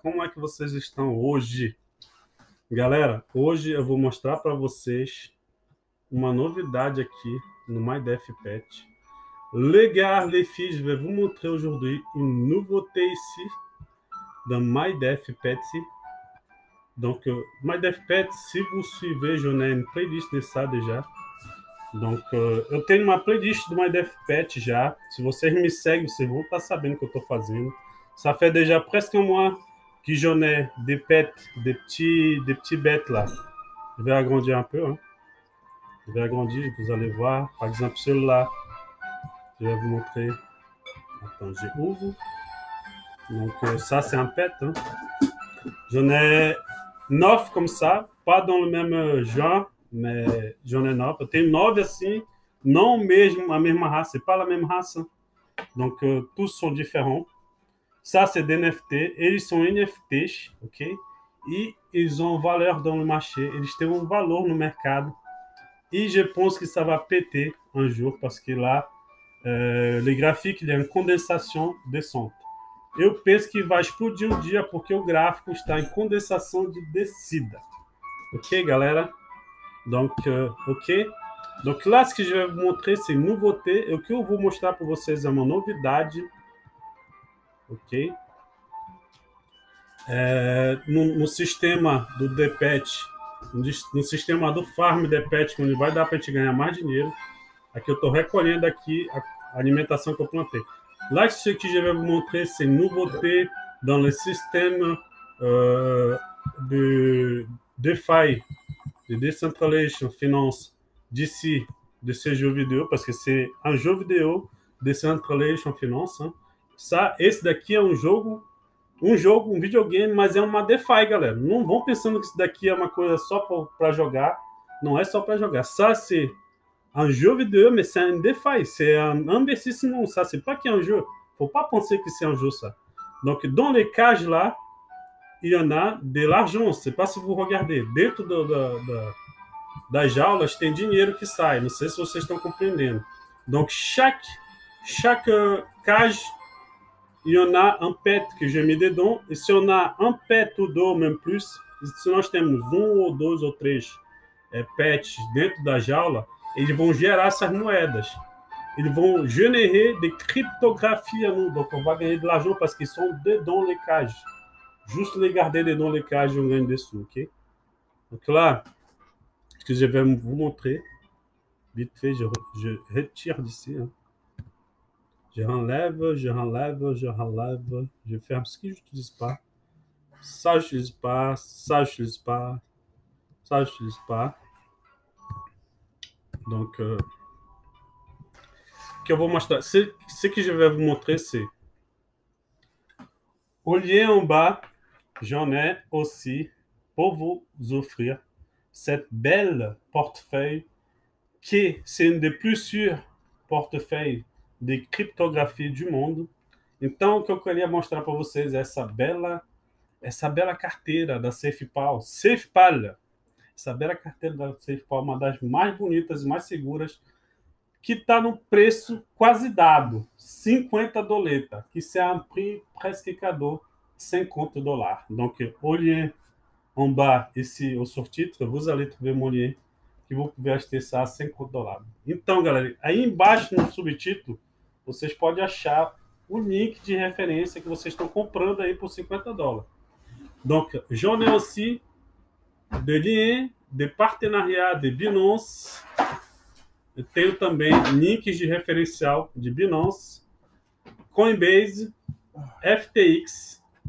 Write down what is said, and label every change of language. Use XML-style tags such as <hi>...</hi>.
<pt>Como é que vocês estão hoje? Galera, hoje eu vou mostrar para vocês uma novidade aqui no MyDefPatch.</pt> <fr>Legal, les filles, je vais vous montrer aujourd'hui une nouveauté ici dans MyDefPatch. Donc, MyDefPatch, si vous suivez, je n'ai une playlist de ça déjà.</fr> <pt>Donc, eu tenho uma playlist do MyDefPatch já. Se vocês me seguem, vocês vão estar sabendo o que eu estou fazendo.</pt> <fr>Ça fait déjà presque un mois que je n'ai des pets, des petits bêtes là. Je vais agrandir un peu, hein. Je vais agrandir, vous allez voir. Par exemple, celui-là. Je vais vous montrer. Attends, j'ouvre. Donc, ça, c'est un pet, hein. J'en ai 9 comme ça, pas dans le même genre. Mais j'en ai 9.</fr> <pt>Eu tenho 9 assim, não mesmo a mesma raça, é</pt> <fr>pas la même</fr> <pt>raça.</pt> <fr>Donc, tous sont différents. Ça, c'est des NFT.</fr> <pt>Eles são NFTs, ok? E eles</pt> <fr>ont valeur dans le marché.</fr> <pt>Eles têm um valor no mercado.</pt> <fr>E je pense que ça va péter un jour, parce que là, les graphiques, il y a une condensation descente.</fr> <pt>Eu penso que vai explodir um dia, porque o gráfico está em condensação de descida. Ok, galera? Donc, ok.</pt> <fr>Donc, là, ce que je vais vous montrer, c'est une nouveauté.</fr> <pt>O que eu vou mostrar para vocês é uma novidade. Ok. No sistema do Depatch, no sistema do Farm Depatch, onde vai dar para a gente ganhar mais dinheiro. Aqui eu estou recolhendo aqui a alimentação que eu plantei.</pt> <fr>Là, ce que je vais vous montrer, c'est une nouveauté dans le système de DeFi. De Decentralization Finance d'ici, de ce jeu vidéo, parce que c'est un jeu vidéo Decentralization Finance. Hein.</fr> <pt>Ça, esse daqui é um videogame, mas é uma DeFi, galera. Não vão pensando que isso daqui é uma coisa só para jogar. Não é só para jogar.</pt> <fr>Ça, c'est un jeu vidéo, mais c'est un DeFi. C'est un investissement. Ça, c'est pas que</fr> <pt>é um</pt> <fr>jeu. Faut pas penser que c'est un jeu, ça. Donc, dans les cages là, il y en a de l'argent, c'est pas si vous regardez.</fr> <pt>Dentro das jaulas tem dinheiro que sai. Não sei se vocês estão compreendendo.</pt> <fr>Donc, chaque cage, il y en a un pet que je mets dedans.</fr> <pt>E</pt> <fr>se on a un pet ou deux, même plus,</fr> <pt>se nós temos um ou dois ou três pets dentro da jaula, eles vão gerar essas moedas. Eles vão générer de criptografia no banco.</pt> <fr>Vai ganhar de l'argent parce qu'ils sont dedans les cages. Juste les garder dedans les cages, on gagne des sous, ok? Donc là, ce que je vais vous montrer, vite fait, je retire d'ici. Hein. Je renlève, je ferme ce que je n'utilise pas. Ça, je n'utilise pas. Ça, je n'utilise pas. Ça, je n'utilise pas. Donc, ce que je vais vous montrer, ce que je vais vous montrer, c'est au lien en bas. J'en ai aussi pour vous offrir cette belle portefeuille qui c'est une des plus sûres portefeuilles de cryptographie du monde.</fr> <pt>Então, o que eu queria mostrar para vocês é essa bela carteira da SafePal, SafePal. Essa bela carteira da SafePal, uma das mais bonitas e mais seguras, que está no preço quase dado, 50 doleta,</pt> <fr>que c'est un prix presque cadeau.</fr> <pt>50 dólares.</pt> <fr>Donc, au lien en bas, ici, au surtitre, vous allez trouver mon lien que vous pouvez acheter ça à 50 dólares.</fr> <pt>Então, galera, aí embaixo no subtítulo, vocês podem achar o link de referência que vocês estão comprando aí por 50 dólares.</pt> <fr>Donc, j'en ai aussi de lien de partenariat de Binance.</fr> <pt>Eu tenho também links de referencial de Binance, Coinbase, FTX.</pt>